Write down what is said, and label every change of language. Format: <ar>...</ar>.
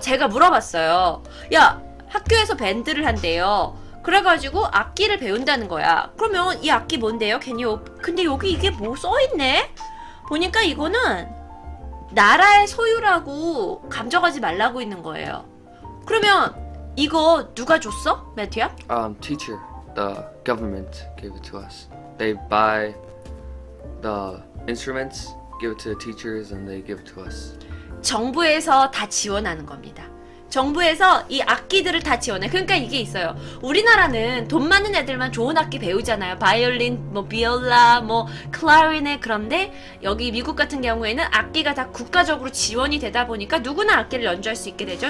<ko>제가 물어봤어요. 야, 학교에서 밴드를 한대요. 그래가지고 악기를 배운다는 거야. 그러면 이 악기 뭔데요? 근데 여기 이게 뭐 써있네? 보니까 이거는 나라의 소유라고 감정하지 말라고 있는 거예요. 그러면 이거 누가 줬어? 매튜야?</ko> <en>Teacher. The government gave it to us. They buy the instruments, give it to the teachers, and they give it to us.</en> <ko>정부에서 다 지원하는 겁니다. 정부에서 이 악기들을 다 지원해. 그러니까 이게 있어요. 우리나라는 돈 많은 애들만 좋은 악기 배우잖아요. 바이올린, 뭐 비올라, 뭐 클라리넷. 그런데 여기 미국 같은 경우에는 악기가 다 국가적으로 지원이 되다 보니까 누구나 악기를 연주할 수 있게 되죠.</ko>